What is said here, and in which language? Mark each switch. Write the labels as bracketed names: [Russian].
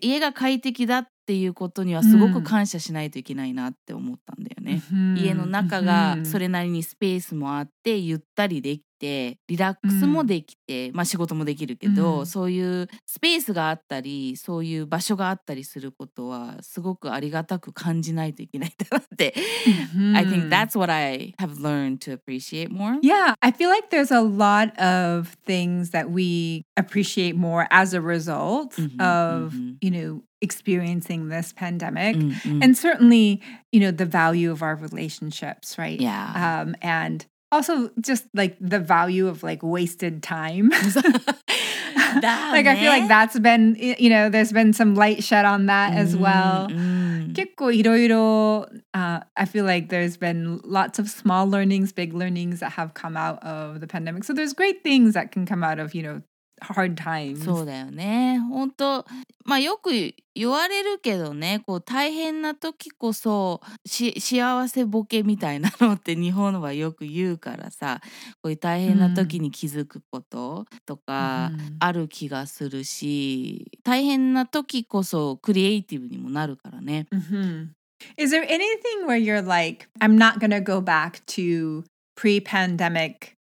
[Japanese] 家が快適だっていうことにはすごく感謝しないといけないなって思ったんだよね。家の中がそれなりにスペースもあってゆったりできてリラックスもできて、まあ仕事もできるけど、そういうスペースがあったりそういう場所があったりすることはすごくありがたく感じないといけないと思って。 [English] I think that's what I have learned to appreciate more. Yeah, I feel like there's a lot of things that we appreciate more as a result of, you know,experiencing this pandemic and certainly, you know, the value of our relationships, right? Yeah. And also just like the value of like wasted time. Like, I feel like that's been, you know, there's been some light shed on that as well. [Japanese] 結構いろいろ [English] I feel like there's been lots of small learnings, big learnings that have come out of the pandemic. So there's great things that can come out of, you know,Hard times. [Japanese] そうだよね。本当、まあよく言われるけどね、こう大変な時こそ幸せボケみたいなのって日本はよく言うからさ、こういう大変な時に気づくこととかある気がするし、大変な時こそクリエイティブにもなるからね。 [English] Is there anything where you're like, I'm not gonna go back to pre-pandemic?